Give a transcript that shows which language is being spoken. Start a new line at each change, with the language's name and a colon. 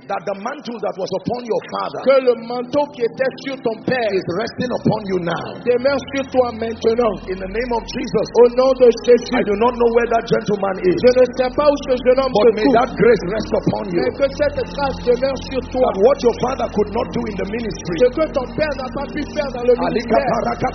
English: that the mantle that was upon your father,
French: que le manteau qui était sur ton père,
English: is resting upon you now.
French: Demeure sur toi maintenant.
English: In the name of Jesus.
French: Au nom de Jésus.
English: I do not know where that gentleman is.
French: Je ne sais pas où ce jeune homme se trouve.
English: But may that grace rest upon you.
French: Mais que cette grâce demeure sur toi.
English: That what your father could not do in the ministry,
French: ce que ton père n'a pas pu faire dans le ministère.